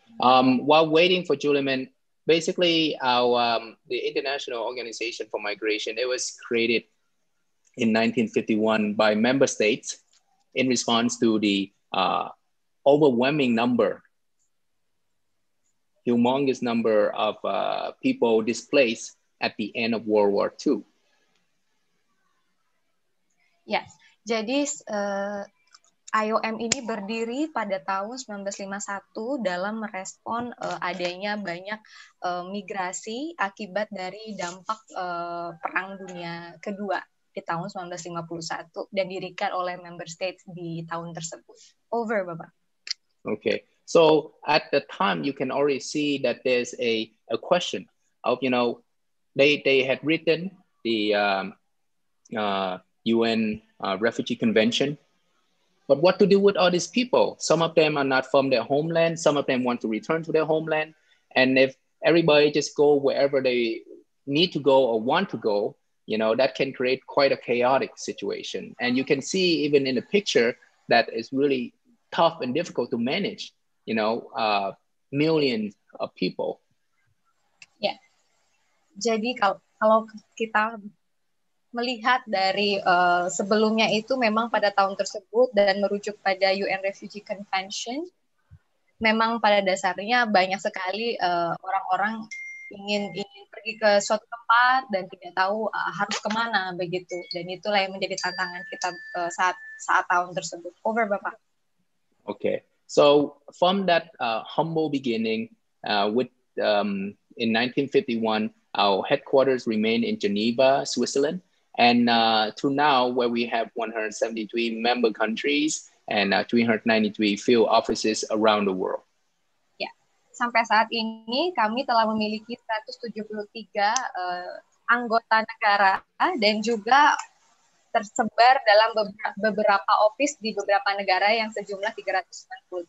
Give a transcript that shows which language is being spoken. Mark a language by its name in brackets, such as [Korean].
[English] While waiting for Juliman, basically our the International Organization for Migration, it was created in 1951 by member states in response to the overwhelming number, humongous number of people displaced at the end of World War II. Yes. [Indonesian] Jadi IOM ini berdiri pada tahun 1951 dalam merespon adanya banyak migrasi akibat dari dampak Perang Dunia Kedua di tahun 1951 dan didirikan oleh [English] member states [Indonesian] di tahun tersebut. [English] Over, Bapak. Okay. So at the time you can already see that there's a question of, you know, they had written the UN Refugee Convention. But what to do with all these people? Some of them are not from their homeland. Some of them want to return to their homeland. And if everybody just go wherever they need to go or want to go, you know, that can create quite a chaotic situation. And you can see even in the picture that is really tough and difficult to manage, you know, millions of people. Yeah. [Indonesian] Jadi kalau kita melihat dari sebelumnya itu memang pada tahun tersebut dan merujuk pada UN Refugee Convention, memang pada dasarnya banyak sekali orang-orang ingin pergi ke suatu tempat dan tidak tahu harus kemana begitu, dan itulah yang menjadi tantangan kita saat tahun tersebut. [English] Over, Bapak. Okay, so from that humble beginning, with in 1951, our headquarters remained in Geneva, Switzerland. And to now, where we have 173 member countries and 393 field offices around the world. Ya, yeah. [Indonesian] Sampai saat ini kami telah memiliki 173 anggota negara dan juga tersebar dalam beberapa office di beberapa negara yang sejumlah 393.